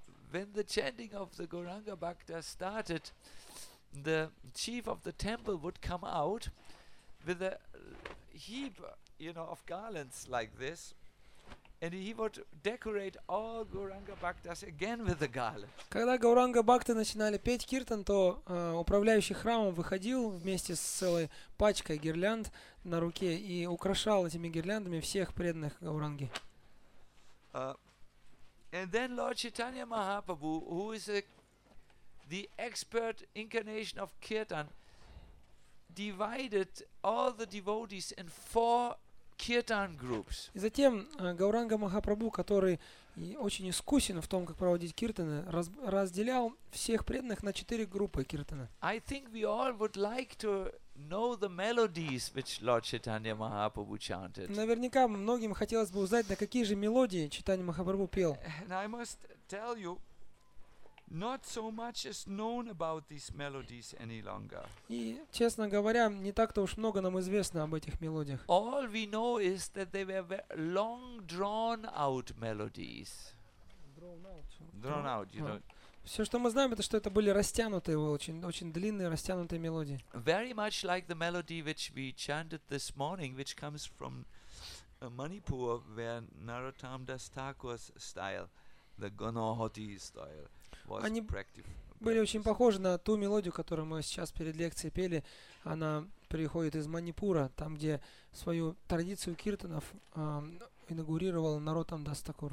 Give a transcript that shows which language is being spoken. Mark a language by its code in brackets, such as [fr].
[en] When the chanting of the Gauranga Bhakta started, the chief of the temple would come out with a heap, of garlands like this. And he would decorate all Gauranga Bhaktas again with the garland. [ru] Когда Гауранга Бхакты начинали петь киртан, то управляющий храмом выходил вместе с целой пачкой гирлянд на руке и украшал этими гирляндами всех преданных Гауранги. [en] And then Lord Chaitanya Mahaprabhu, who is the expert incarnation of kirtan, divided all the devotees in four kirtan groups. [ru] И затем Гауранга Махапрабху, который очень искусен в том, как проводить киртаны, разделял всех преданных на четыре группы киртана. [en] I think we all would like to know the melodies which Lord Chaitanya Mahaprabhu chanted. [ru] Наверняка многим хотелось бы узнать, на какие же мелодии Чайтанья Махапрабху пел. [en] And I must tell you, not so much is known about these melodies any longer. [ru] И, честно говоря, не так-то уж много нам известно об этих мелодиях. [en] All we know is that they were long drawn-out melodies. Drawn-out, you know. [ru] Все, что мы знаем, это что это были растянутые, очень, очень длинные, растянутые мелодии. [en] Very much like the melody which we chanted this morning, which comes from Manipur, where Narottam Das Thakur's style, the Gonohoti style. [ru] Они были очень похожи на ту мелодию, которую мы сейчас перед лекцией пели. Она приходит из Манипура, там, где свою традицию киртанов инаугурировал Народам Дас Такур.